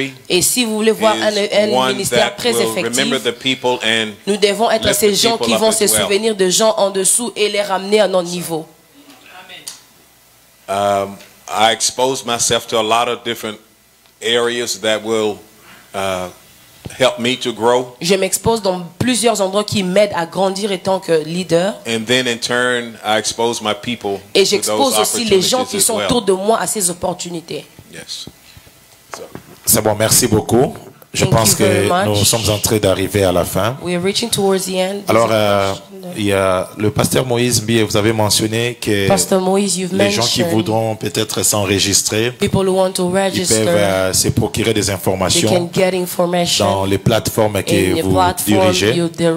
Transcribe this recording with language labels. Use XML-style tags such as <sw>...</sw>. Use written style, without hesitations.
<fr>Et si vous voulez voir un ministère très effectif, nous devons être ces gens qui vont se souvenir des gens en dessous et les ramener à notre niveau.</fr> <en>I expose myself to a lot of different areas that will help me to grow.</en> <fr>Je m'expose dans plusieurs endroits qui m'aident à grandir en tant que leader.</fr> <en>And then in turn, I expose my people.</en> <fr>Et j'expose aussi les gens qui sont autour de moi à ces opportunités.</fr> <en>Yes.</en> <fr>C'est bon. Merci beaucoup. Je pense que nous sommes en train d'arriver à la fin.</fr> <en>We are reaching towards the end.</en> <fr>Alors, il y a le pasteur Moïse Mbiye. Vous avez mentionné que les gens qui voudront peut-être s'enregistrer, ils peuvent se procurer des informations dans les plateformes que vous dirigez.</fr>